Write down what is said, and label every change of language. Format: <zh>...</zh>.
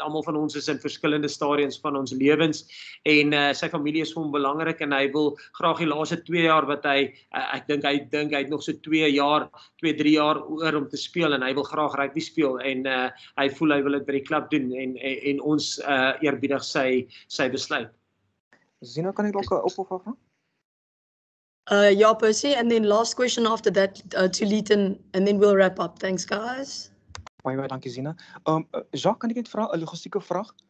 <af>Almal van ons is in verskillende stadiums van ons lewens en sy familie is vir hom belangrik en hy wil graag die laaste 2 jaar wat hy ek dink hy het nog so 2-3 jaar oor om te speel en hy wil graag rugby speel en hy voel hy wil dit by die klub doen en ons eerbiedig sy besluit. Zina, kan ik ook op of af?</af> <en>Yeah, Percy. And then last question after that to Leighton, and then we'll wrap up. Thanks, guys.</en> <af>Baie baie dankie, Zina. Jacques, kan ek net vra 'n logistieke vraag?</af>